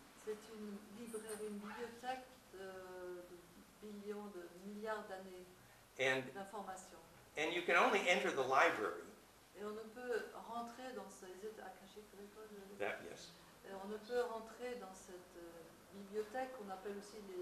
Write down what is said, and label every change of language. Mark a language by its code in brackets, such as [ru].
[fr] C'est une bibliothèque de billions, de milliards d'années d'informations. [en] And you can only enter the library. [fr] Et on ne peut rentrer dans ces akashiques records. [en] That yes. [fr] Et on ne peut rentrer dans cette bibliothèque qu'on appelle aussi